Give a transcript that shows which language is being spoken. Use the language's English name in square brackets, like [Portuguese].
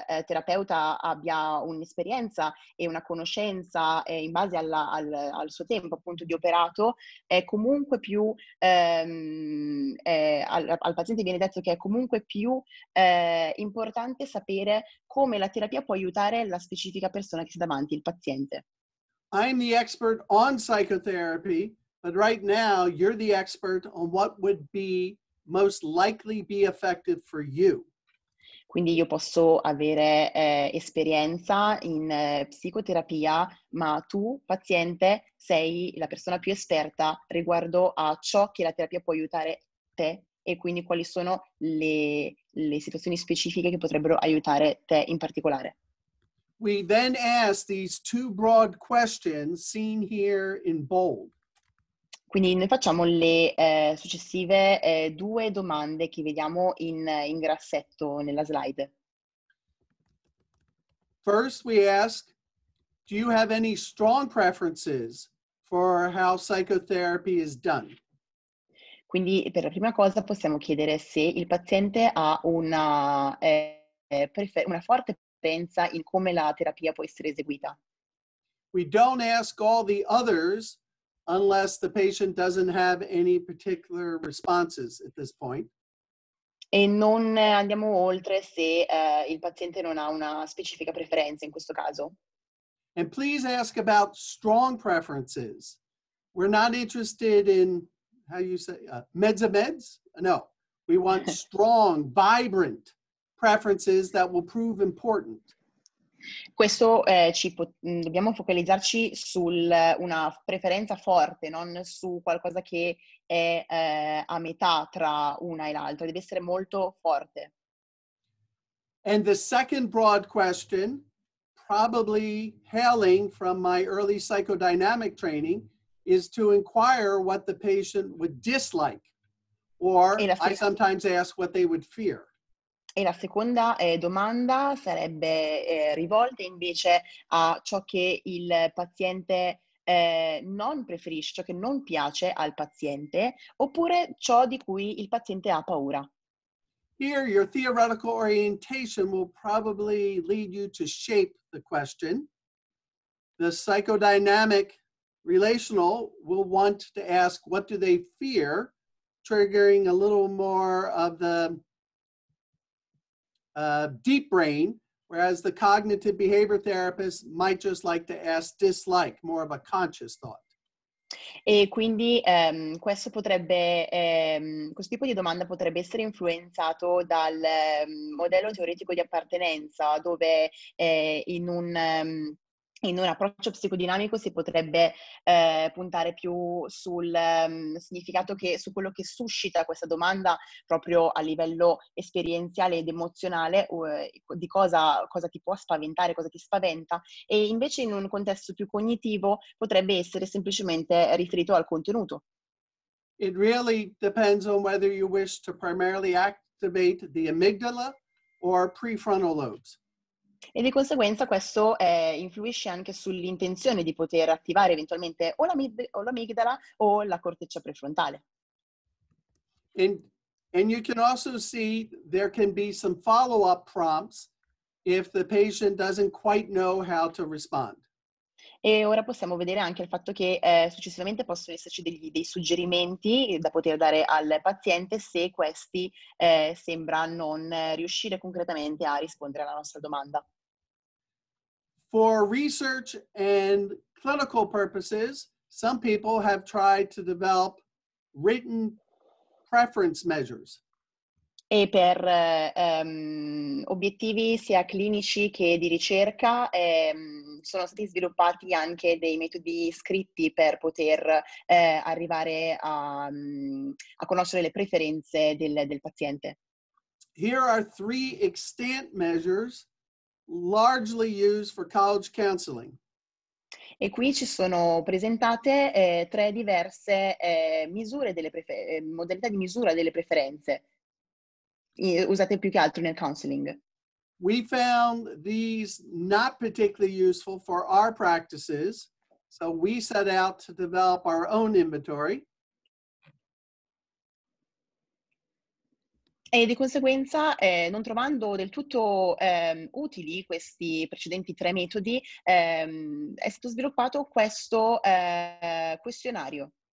[Italian] terapeuta abbia un'esperienza e una conoscenza in base al suo tempo appunto di operato, è comunque più al paziente viene detto che è comunque più importante sapere come la terapia può aiutare la specifica persona che sta davanti, il paziente. [English] I'm the expert on psychotherapy. But right now, you're the expert on what would be most likely be effective for you. [Italian] Quindi io posso avere esperienza in psicoterapia, ma tu, paziente, sei la persona più esperta riguardo a ciò che la terapia può aiutare te e quindi quali sono le situazioni specifiche che potrebbero aiutare te in particolare. [English] We then ask these two broad questions seen here in bold. [Italian] Quindi noi facciamo le successive due domande che vediamo in grassetto nella slide. [English] First we ask, do you have any strong preferences for how psychotherapy is done? [Italian] Quindi per la prima cosa possiamo chiedere se il paziente ha una forte preferenza in come la terapia può essere eseguita. [English] We don't ask all the others unless the patient doesn't have any particular responses at this point. [Italian] E non andiamo oltre se il paziente non ha una specifica preferenza in questo caso. [English] And please ask about strong preferences. We're not interested in, how you say, meds? No, we want strong, vibrant preferences that will prove important. [Italian] Questo dobbiamo focalizzarci su una preferenza forte, non su qualcosa che è a metà tra una e l'altra, deve essere molto forte. [English] And the second broad question, probably hailing from my early psychodynamic training, is to inquire what the patient would dislike, or I sometimes ask what they would fear. E la seconda domanda sarebbe rivolta invece a ciò che il paziente non preferisce, ciò che non piace al paziente, oppure ciò di cui il paziente ha paura. Here your theoretical orientation will probably lead you to shape the question. The psychodynamic relational will want to ask what do they fear, triggering a little more of the deep brain, whereas the cognitive behavior therapist might just like to ask dislike, more of a conscious thought. [Italian] E quindi questo potrebbe, questo tipo di domanda potrebbe essere influenzato dal modello teoretico di appartenenza, dove in un approccio psicodinamico si potrebbe puntare più sul significato che su quello che suscita questa domanda proprio a livello esperienziale ed emozionale di cosa ti può spaventare, cosa ti spaventa, e invece in un contesto più cognitivo potrebbe essere semplicemente riferito al contenuto. [English] It really depends on whether you wish to primarily act activate the amygdala or prefrontal lobes. [Italian] E di conseguenza questo influisce anche sull'intenzione di poter attivare eventualmente o l'amigdala o la corteccia prefrontale. [English] And you can also see there can be some follow-up prompts if the patient doesn't quite know how to respond. [Italian] E ora possiamo vedere anche il fatto che successivamente possono esserci dei suggerimenti da poter dare al paziente se questi sembra non riuscire concretamente a rispondere alla nostra domanda. [English] For research and clinical purposes, some people have tried to develop written preference measures. [Italian] E per obiettivi sia clinici che di ricerca sono stati sviluppati anche dei metodi scritti per poter arrivare a conoscere le preferenze del paziente. [English] Here are three extant measures largely used for college counseling. [Italian] E qui ci sono presentate tre diverse misure delle modalità di misura delle preferenze. Usate più che altro nel counseling. [English] We found these not particularly useful for our practices, so we set out to develop our own inventory. [Italian] E di conseguenza, non trovando del tutto utili questi precedenti tre metodi, è stato sviluppato questo questionario.